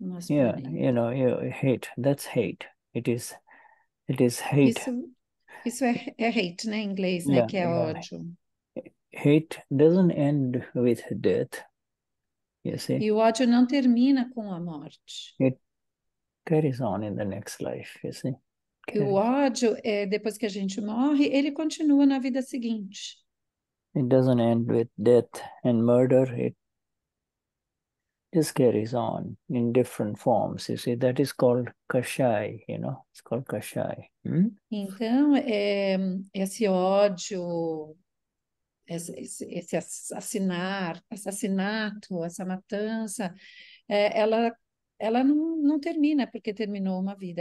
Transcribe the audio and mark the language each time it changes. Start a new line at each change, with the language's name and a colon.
English: Yeah, planeta. You know, hate. That's hate. It is hate.
Portuguese: Isso é hate, né, em inglês, né, yeah, que é ódio.
English: Hate doesn't end with death. You see?
Portuguese: E o ódio não termina com a morte.
English: It carries on in the next life, you see?
Portuguese: E o ódio, depois que a gente morre, ele continua na vida seguinte.
English: It doesn't end with death and murder. It just carries on in different forms. You see, that is called kashai, you know? It's called kashai.
Portuguese: Então, esse ódio, esse assassinato, essa matança, ela não termina, porque terminou uma vida.